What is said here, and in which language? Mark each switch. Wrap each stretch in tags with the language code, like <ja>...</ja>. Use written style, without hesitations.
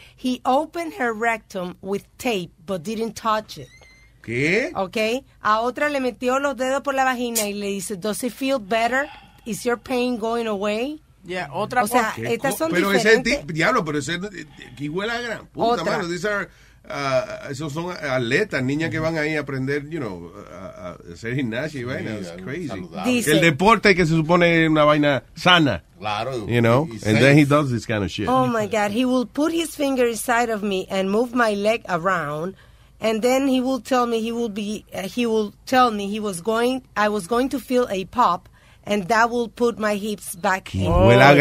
<en>He opened her rectum with tape, but didn't touch it.</en> <es>¿Qué?</es> <en>Okay.</en> <es>A otra le metió los dedos por la vagina y le dice,</es> <en>does it feel better? Is your pain going away?</en> <es>Yeah, otra. O sea, estas son pero diferentes. Pero ese diablo, pero ese, ¿qué huele a gran puta, mano? These are, esos son atletas, niñas que van ahí a aprender, you know, a hacer gimnasia y vaina.</es> <en>It's crazy.</en> <es>Dice, el deporte que se supone es una vaina sana. Claro.</es> <en>You know? And safe. Then he does this kind of shit. Oh, my God. He will put his finger inside of me and move my leg around. And then he will tell me I was going to feel a pop, and that will put my hips back in. Oh, well, yes.</en>